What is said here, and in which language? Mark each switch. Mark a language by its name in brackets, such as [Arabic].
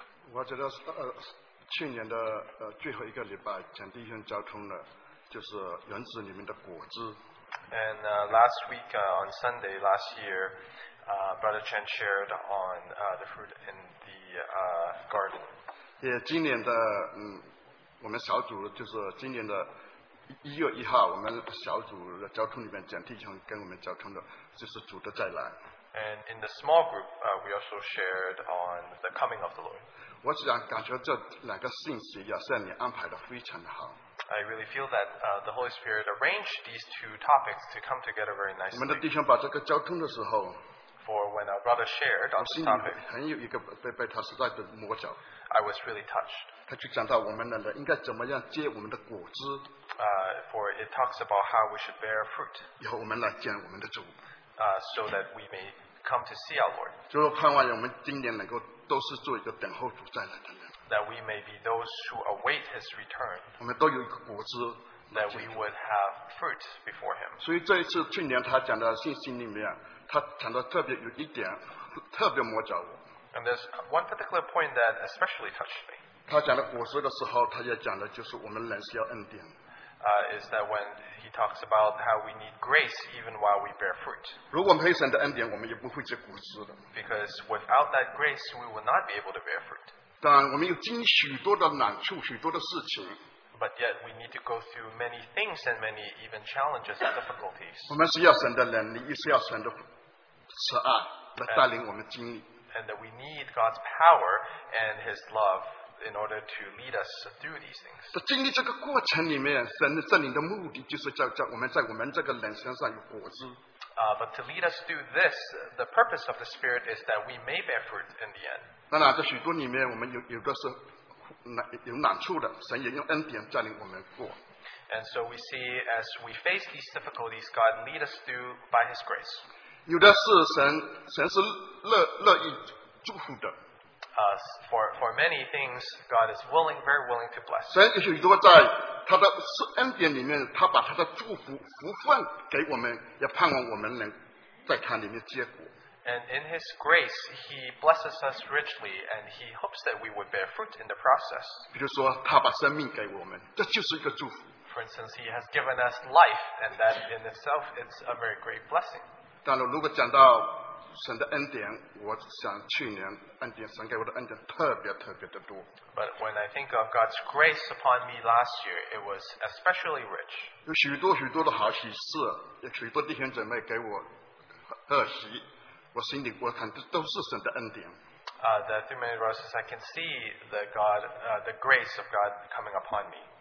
[Chinese] 我觉得去年的最后一个礼拜，前弟兄交通的，就是园子里面的果子。 [English] And last week on Sunday last year, Brother Chen shared on the fruit in the garden. [Chinese] 也今年的，我们小组就是今年的 1月1号，我们小组的交通里面讲弟兄跟我们交通的，就是主的再来。 [English] And in the small group, we also shared on the coming of the Lord. [Chinese] 我想感觉这两个信息要圣灵安排的非常好。 [English] I really feel that the Holy Spirit arranged these two topics to come together very nicely. [Chinese] 我们的弟兄把这个交通的时候。 [English] For when our brother shared on the topic, [Chinese] 很有一个被他实在的摸着。 [English] I was really touched. [Chinese] 他就讲到我们的人应该怎么样结我们的果子。 [English] For it talks about how we should bear fruit. [Chinese] 以后我们来见我们的主。 [English] So that we may come to see our Lord. [Chinese] 就是盼望我们今年能够都是做一个等候主再来的人。 [English] That we may be those who await His return. [Chinese] 我们都有一个果子。 [English] That we would have fruit before Him. [Chinese] 所以这一次去年他讲的信息里面。他讲的特别有一点特别摸着我。 [English] And there's one particular point that especially touched me. [Chinese] 他讲的果实的时候，他也讲的就是我们人需要恩典。 [English] Is that when he talks about how we need grace even while we bear fruit? [Chinese] 如果没有神的恩典，我们也不会结果实的。 [English] Because without that grace, we will not be able to bear fruit. [Chinese] 但我们有经历许多的难处，许多的事情。 [English] But yet we need to go through many things and many even challenges and difficulties. [Chinese] 我们是要神的能力，也是要神的慈爱来带领我们经历。 [English] And that we need God's power and His love in order to lead us through these things. [Chinese] 在经历这个过程里面，神的圣灵的目的就是叫我们在我们这个人身上有果子。 [English] But to lead us through this, the purpose of the Spirit is that we may bear fruit in the end. [Chinese] 当然，在许多里面，我们有的是。有难处的，神也用恩典带领我们过。 [English] And so we see as we face these difficulties, God lead us through by His grace. [Chinese] 有的是神是乐意祝福的。 [English] For many things, God is willing, very willing to bless. [Chinese] 神有许多在他的恩典里面，他把他的祝福福分给我们，也盼望我们能在他里面结果。 [English] And in His grace, He blesses us richly, and He hopes that we would bear fruit in the process. [Chinese] 比如说，他把生命给我们，这就是一个祝福。 [English] For instance, He has given us life, and that in itself is a very great blessing. [Chinese] 当然，如果讲到神的恩典，我想去年恩典神给我的恩典特别特别的多。 [English] But when I think of God's grace upon me last year, it was especially rich. [Chinese] 有许多许多的好喜事，有许多弟兄姊妹给我贺喜。我心里，我看都是神的恩典。 [English] That through many verses, I can see the God, the grace of God coming upon me.